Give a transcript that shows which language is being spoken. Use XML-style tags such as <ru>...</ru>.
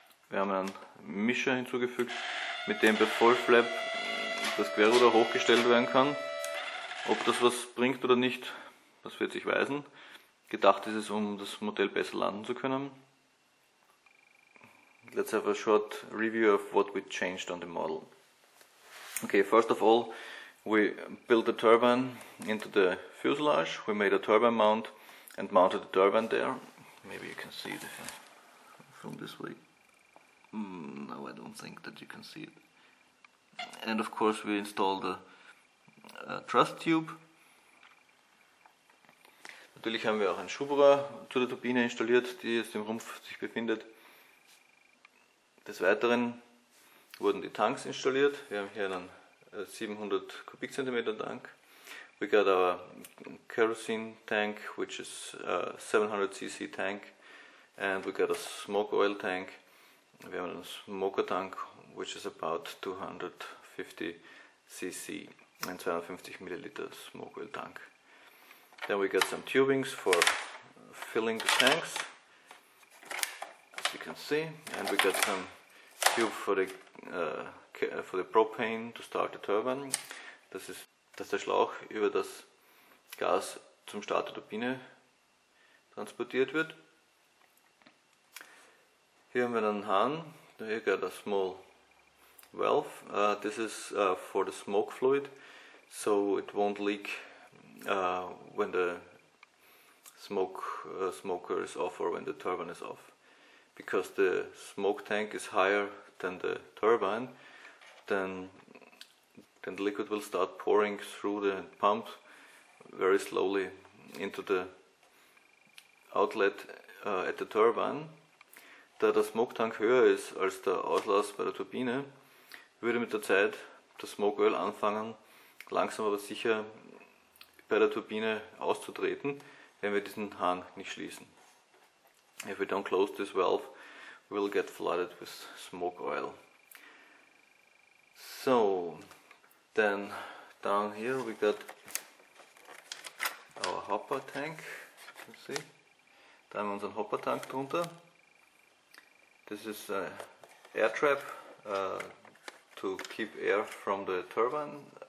<de>Wir haben einen Mischer hinzugefügt, mit dem bei Vollflap das Querruder hochgestellt werden kann. Ob das was bringt oder nicht, das wird sich weisen. Gedacht ist es, um das Modell besser landen zu können.</de> <en>Let's have a short review of what we changed on the model. Okay, first of all, we built the turbine into the fuselage. We made a turbine mount and mounted the turbine there. Maybe you can see it from this way. No, I don't think that you can see it. And of course, we installed a truss tube.</en> <de>Natürlich haben wir auch ein Schubrohr zu der Turbine installiert, die jetzt im Rumpf sich befindet. Des Weiteren wurden die Tanks installiert. Wir haben hier einen 700 Kubikzentimeter Tank.</de> <en>We got our kerosene tank, which is a 700cc tank. And we got a smoke oil tank.</en> <de>Wir haben einen Smoker Tank,</de> <en>which is about 250cc.</en> <de>Ein 250 Milliliter Smoke Oil Tank.</de> <en>Then we got some tubings for filling the tanks, as you can see, and we got some tube for the propane to start the turbine.</en> <de>Das ist der Schlauch, über das Gas zum Start der Turbine transportiert wird. Hier haben wir einen Hahn. Hier</de> <en>got a small valve. This is for the smoke fluid, so it won't leak when the smoker is off or when the turbine is off. Because the smoke tank is higher than the turbine, then the liquid will start pouring through the pump very slowly into the outlet at the turbine.</en> <de>Da der smoke tank höher ist als der Auslass bei der Turbine, würde mit der Zeit das smoke oil anfangen, langsam aber sicher bei der Turbine auszutreten, wenn wir diesen Hahn nicht schließen.</de> <en>If we don't close this valve, we'll get flooded with smoke oil. So, then down here we got our hopper tank. Let's see.</en> <de>Da haben wir unseren Hopper Tank drunter.</de> <en>This is an air trap to keep air from the turbine.</en>